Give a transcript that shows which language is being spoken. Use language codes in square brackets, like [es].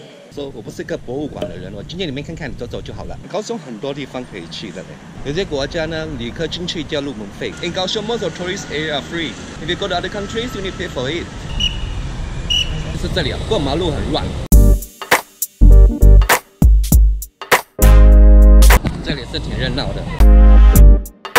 [zh] So, 我不是个博物馆的人，我进去里面看看，走走就好了。高雄很多地方可以去的嘞，有些国家呢，旅客进去交入门费。 [en] In Kaohsiung, most of tourist area are free. If you go to other countries, you need pay for it. [zh] 就是这里啊，过马路很乱。这里是挺热闹的。